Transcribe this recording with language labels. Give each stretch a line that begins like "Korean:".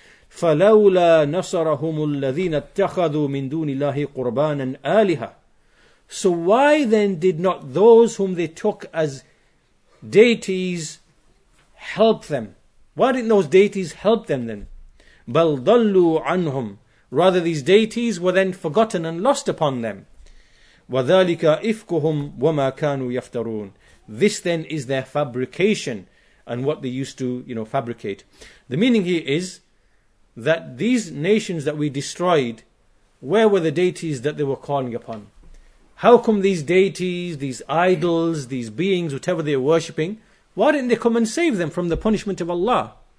Arabic: فلولا نصرهم الذين اتخذوا من دون الله قربانا آلهة.
English: So why then did not those whom they took as deities help them? Why didn't those deities help them then?
Arabic: بل ضلوا عنهم.
English: Rather, these deities were then forgotten and lost upon them.
Arabic: وذلك إفكهم وما كانوا يفترون.
English: This then is their fabrication and what they used to, you know, fabricate. The meaning here is that these nations that we destroyed, where were the deities that they were calling upon? How come these deities, these idols, these beings, whatever they are worshipping, why didn't they come and save them from the punishment of Allah?